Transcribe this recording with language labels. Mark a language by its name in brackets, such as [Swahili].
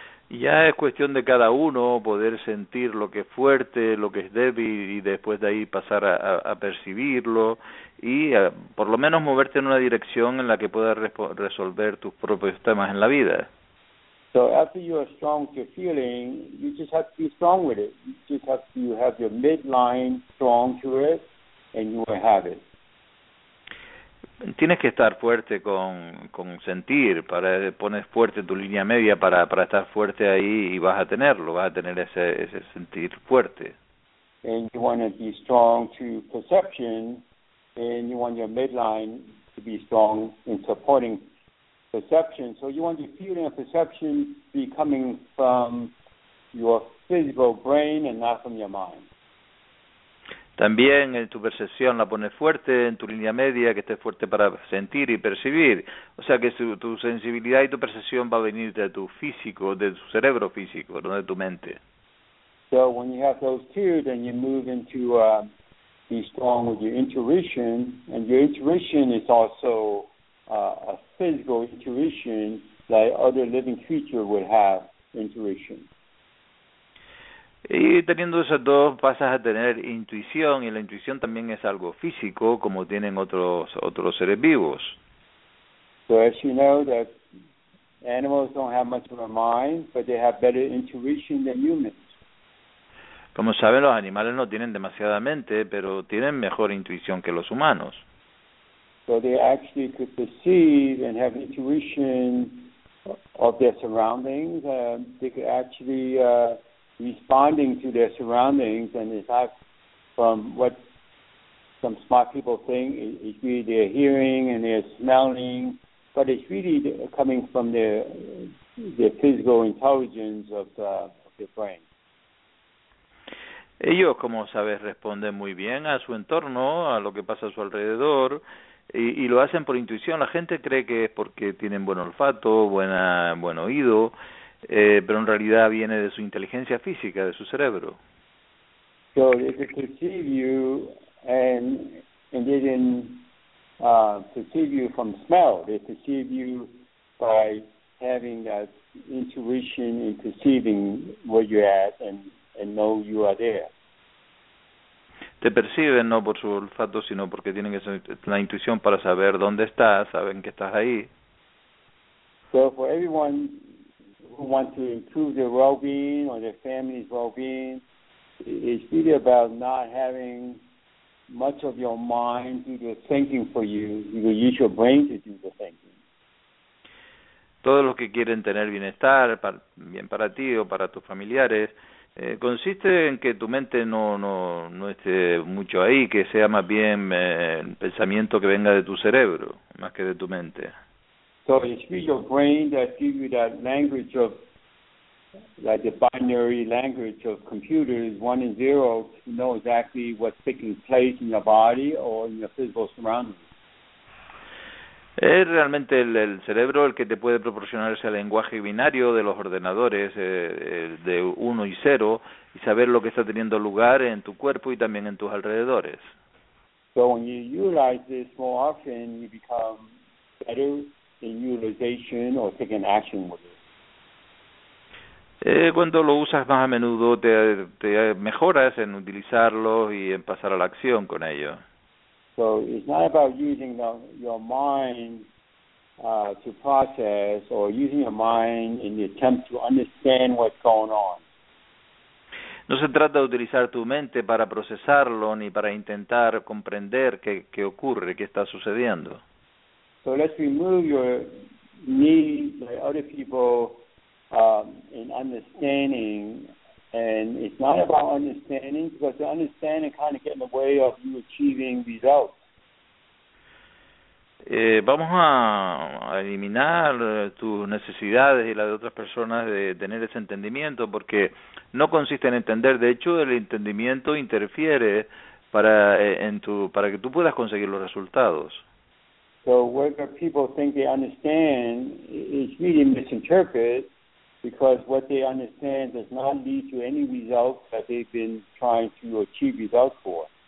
[Spanish] Ya es cuestión de cada uno poder sentir lo que es fuerte, lo que es débil y después de ahí pasar a percibirlo y a, por lo menos moverte en una dirección en la que puedas resolver tus propios temas en la vida. [English] So after you are strong to feeling, you just have to be strong with it. You just have to have your midline strong to it and you will have it. [Spanish] Tienes que estar fuerte con sentir, para pones fuerte tu línea media para estar fuerte ahí y vas a tenerlo, vas a tener ese sentir fuerte. [English] And you want to be strong to perception, and you want your midline to be strong in supporting perception. So you want your feeling of perception to be coming from your physical brain and not from your mind. [Spanish] También en tu percepción la pones fuerte, en tu línea media, que estés fuerte para sentir y percibir. O sea que tu sensibilidad y tu percepción va a venir de tu físico, de tu cerebro físico, no de tu mente. [English] So when you have those two, then you move into be strong with your intuition, and your intuition is also a physical intuition like other living creatures would have intuition. [Spanish] Y teniendo esas dos, pasas a tener intuición, y la intuición también es algo físico, como tienen otros seres vivos. [English] So as you know, that animals don't have much of a mind, but they have better intuition than humans. [Spanish] Como saben, los animales no tienen demasiada mente, pero tienen mejor intuición que los humanos. [English] So they actually could perceive and have intuition of their surroundings. They could actually responding to their surroundings and it's not from what some smart people think it's really their hearing and their smelling, but it's really coming from their physical intelligence of their brain. [Spanish] Ellos, como sabes, responden muy bien a su entorno, a lo que pasa a su alrededor, y lo hacen por intuición. La gente cree que es porque tienen buen olfato, buen oído, pero en realidad viene de su inteligencia física, de su cerebro. [English] So they can perceive you and they didn't perceive you from smell. They perceive you by having that intuition in perceiving where you're at and know you are there. [Spanish] Te perciben no por su olfato, sino porque tienen la intuición para saber dónde estás, saben que estás ahí. [English] So for everyone who wants to improve their well-being or their family's well-being, it's really about not having much of your mind do the thinking for you. You will use your brain to do the thinking. [Spanish] Todos los que quieren tener bienestar, bien para ti o para tus familiares, consiste en que tu mente no esté mucho ahí, que sea más bien el pensamiento que venga de tu cerebro, más que de tu mente. [English] So it's really your brain that gives you that language of, like the binary language of computers, 1 and 0, to know exactly what's taking place in your body or in your physical surroundings. [Spanish] Es realmente el cerebro el que te puede proporcionar ese lenguaje binario de los ordenadores, de 1 y 0, y saber lo que está teniendo lugar en tu cuerpo y también en tus alrededores. [English] So when you utilize this more often, you become better in utilization or taking action with it. [Spanish] Cuando lo usas más a menudo, te mejoras en utilizarlo y en pasar a la acción con ello. [English] So it's not about using your mind to process or using your mind in the attempt to understand what's going on. [Spanish] No se trata de utilizar tu mente para procesarlo ni para intentar comprender qué ocurre, qué está sucediendo. [English] So let's remove your need like other people in understanding. And it's not about understanding, because the understanding kind of gets in the way of you achieving results. [Spanish] Vamos a eliminar tus necesidades y las de otras personas de tener ese entendimiento, porque no consiste en entender. De hecho, el entendimiento interfiere para que tú puedas conseguir los resultados. [English] So whether people think they understand, it's really misinterpreted, because what they understand does not lead to any results that they've been trying to achieve results for.